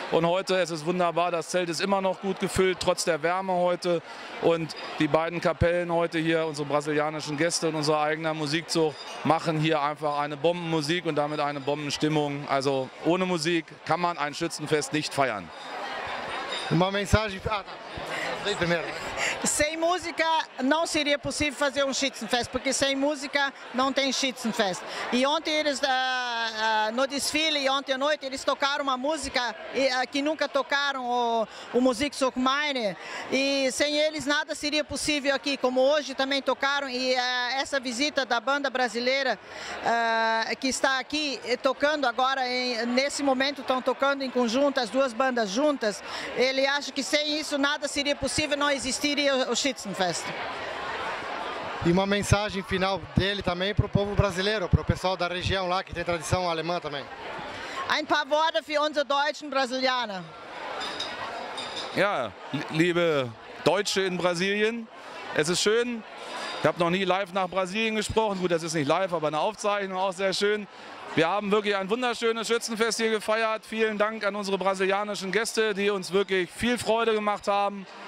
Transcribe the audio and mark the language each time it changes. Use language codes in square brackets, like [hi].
[de] Und heute ist es wunderbar, das Zelt ist immer noch gut gefüllt, trotz der Wärme heute, und die beiden Kapellen heute hier, unsere brasilianischen Gäste und unser eigener Musikzug, machen hier einfach eine Bombenmusik und damit eine Bombenstimmung. Also ohne Musik kann man ein Schützenfest nicht feiern. [pt] Uma mensagem. Sem música não seria possível fazer um Schützenfest, porque sem música não tem Schützenfest. E ontem eles, no desfile, ontem à noite, eles tocaram uma música que nunca tocaram, o Musikzug Mainer. E sem eles nada seria possível aqui, como hoje também tocaram. E essa visita da banda brasileira que está aqui tocando agora, nesse momento estão tocando em conjunto, as duas bandas juntas, ele acha que sem isso nada seria possível. Não existiria o Schützenfest. E uma mensagem final dele também para o povo brasileiro, para o pessoal da região lá que tem tradição alemã também. [de] Ein paar Worte für unsere deutschen Brasilianer. Ja, liebe Deutsche in Brasilien, es ist schön. Ich habe noch nie live nach Brasilien gesprochen. Gut, das ist nicht live, aber eine Aufzeichnung auch sehr schön. Wir haben wirklich ein wunderschönes Schützenfest hier gefeiert. Vielen Dank an unsere brasilianischen Gäste, die uns wirklich viel Freude gemacht haben.